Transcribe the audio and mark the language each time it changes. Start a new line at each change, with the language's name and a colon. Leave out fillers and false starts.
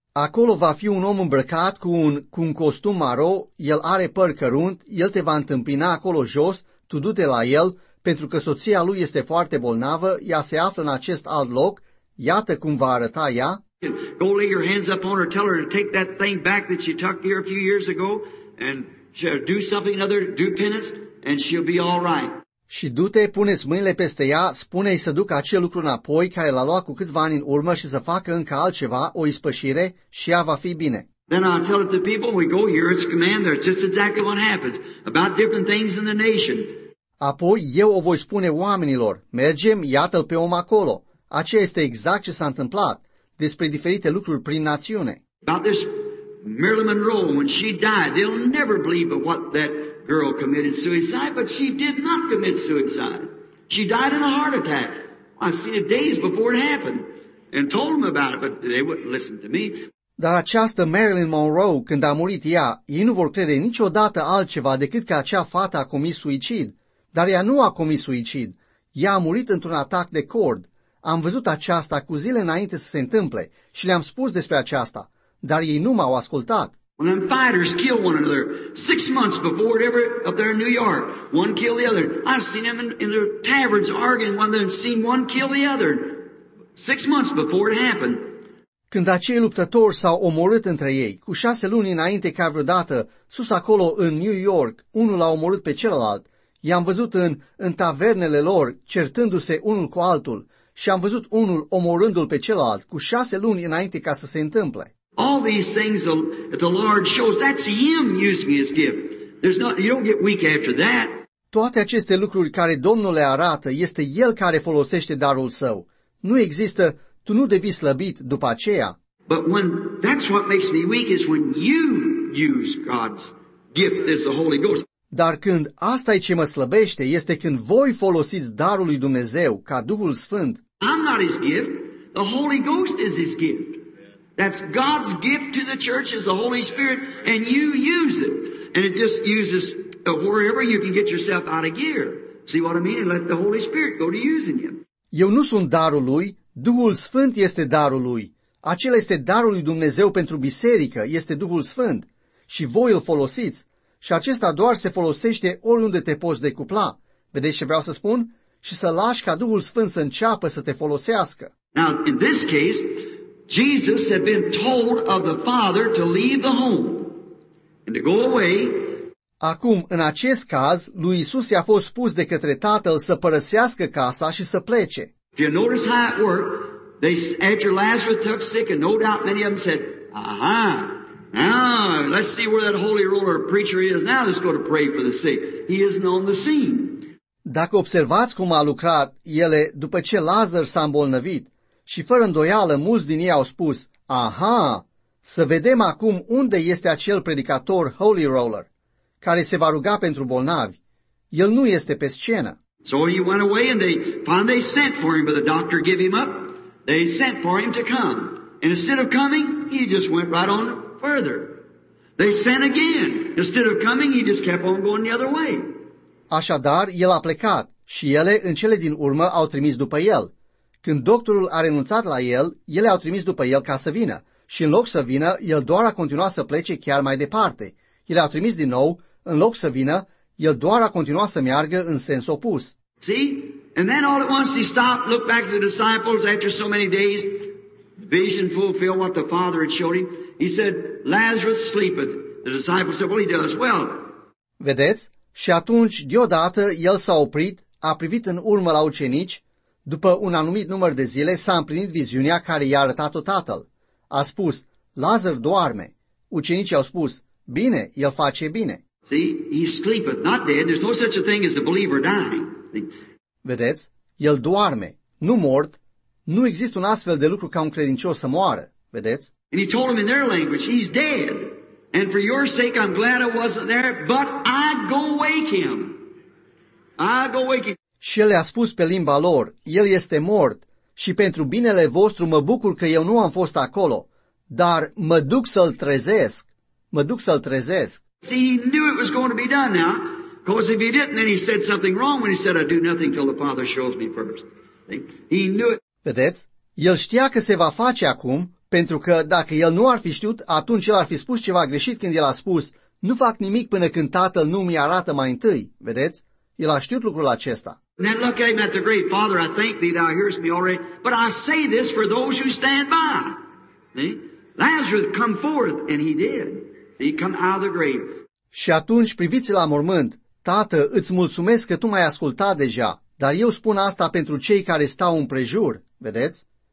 Romanian: Acolo va fi un om îmbrăcat cu un costum maro, el are păr cărunt, el te va întâmpina acolo jos, tu du-te la el, pentru că soția lui este foarte bolnavă, ea se află în acest alt loc, iată cum va arăta ea.
English: Go lay your hands up on her, tell her to take that thing back that she tucked here a few years ago, and she'll do something other, do penance, and she'll be all right.
Romanian: Și du-te, pune-ți mâinile peste ea, spune-i să ducă acel lucru înapoi care l-a luat cu câțiva ani în urmă și să facă încă altceva, o ispășire, și ea va fi bine.
English: Then I tell it to people, we go here, it's command there, it's just exactly what happens, about different things in the nation.
Romanian: Apoi eu o voi spune oamenilor, mergem, iată-l pe om acolo. Aceea este exact ce s-a întâmplat, despre diferite lucruri prin națiune.
English: About this Marilyn Monroe, when she died, they'll never believe but what that girl committed suicide, but she did not commit suicide. She died in a heart attack. I've seen it days before it happened and told them about it, but they wouldn't listen to me.
Romanian: Dar această Marilyn Monroe, când a murit ea, ei nu vor crede niciodată altceva decât că acea fată a comis suicid. Dar ea nu a comis suicid. Ea a murit într-un atac de cord. Am văzut aceasta cu zile înainte să se întâmple și le-am spus despre aceasta, dar ei nu m-au ascultat.
English: When them fighters kill one another 6 months before it ever up there in New York, one kill the other. I've seen them in their taverns arguing one then seen one kill the other 6 months before it happened.
Romanian: Când acei luptători s-au omorât între ei, cu 6 luni înainte ca vreodată, sus acolo în New York, unul l-a omorât pe celălalt, i-am văzut în tavernele lor, certându-se unul cu altul, și am văzut unul omorându-l pe celălalt, cu 6 luni înainte ca să se întâmple.
English: All these things that the Lord shows, that's him using his gift. There's not, you don't get weak after that.
Romanian: Toate aceste lucruri care Domnul le arată, este el care folosește darul său. Nu există, tu nu devii slăbit după aceea.
English: But when, that's what makes me weak is when you use God's gift as the Holy Ghost.
Romanian: Dar când asta e ce mă slăbește, este când voi folosiți darul lui Dumnezeu ca Duhul Sfânt.
English: I'm not his gift, the Holy Ghost is his gift. That's God's gift to the church is the Holy Spirit, and you use it. And it just uses wherever you can get yourself out of gear. See what I mean? And let the Holy Spirit go to using you.
Romanian: Eu nu sunt darul lui, Duhul Sfânt este darul lui. Acela este darul lui Dumnezeu pentru biserică, este Duhul Sfânt. Și voi îl folosiți. Și acesta doar se folosește oriunde te poți decupla. Vedeți ce vreau să spun? Și să lași ca Duhul Sfânt să înceapă să te folosească.
English: Now, in this case, Jesus had been told of the Father to leave the home and to go away.
Romanian: Acum, în acest caz, lui Isus i-a fost spus de către Tatăl să părăsească casa și să plece.
English: If you notice how it worked, they after Lazarus took sick, and no doubt many of them said, "Aha, now let's see where that holy roller preacher is now. Let's go to pray for the sick. He isn't on the scene."
Romanian: Dacă observați cum a lucrat ele după ce Lazar s-a îmbolnăvit. Și fără îndoială, mulți din ei au spus, aha, Să vedem acum unde este acel predicator Holy Roller, care se va ruga pentru bolnavi. El nu este pe scenă.
English: So he went away and they sent for him, but the doctor gave him up. They sent for him to come. And instead of coming, he just went right on further. They sent again. Instead of coming, he just kept on going the other way.
Romanian: Așadar, el a plecat și ele, în cele din urmă, au trimis după el. Când doctorul a renunțat la el, ele au trimis după el ca să vină. Și în loc să vină, el doar a continuat să plece chiar mai departe. Ele au trimis din nou, în loc să vină, el doar a continuat să meargă în sens opus.
English: See? And then all at once he stopped, looked back at the disciples after so many days, vision fulfilled what the Father had showed him. He said, Lazarus sleepeth. The disciples said, well, he does well.
Romanian: Vedeți? Și atunci, deodată, el s-a oprit, a privit în urmă la ucenici, după un anumit număr de zile s-a împlinit viziunea care i-a arătat-o tatăl. A spus, Lazar doarme. Ucenicii au spus, bine, el face bine.
English: See, he sleepeth, not dead. There's no such a thing as a believer dying.
Romanian: Vedeți? El doarme, nu mort, nu există un astfel de lucru ca un credincios să moară, vedeți?
English: And he told him in their language, he's dead. And for your sake, I'm glad I wasn't there, but I go wake him. I go wake him.
Romanian: Și el le-a spus pe limba lor, el este mort și pentru binele vostru mă bucur că eu nu am fost acolo, dar mă duc să-l trezesc, mă duc să-l trezesc.
English: See, he knew it was going to be done now. Because if he didn't, then he said something wrong when he said, I do nothing till the Father shows me first. He knew it.
Romanian: Vedeți? El știa că se va face acum, pentru că dacă el nu ar fi știut, atunci el ar fi spus ceva greșit când el a spus, nu fac nimic până când Tatăl nu mi-arată mai întâi. Vedeți? El a știut lucrul acesta.
English: And then look at him at the great Father, I thank thee thou hearest me already, but I say this for those who stand by. Lazarus come forth, and he did. He come out of the grave.
Romanian: Și atunci priviți la mormânt. Tată, îți mulțumesc că tu m-ai ascultat deja, dar eu spun asta pentru cei care stau împrejur, vedeți?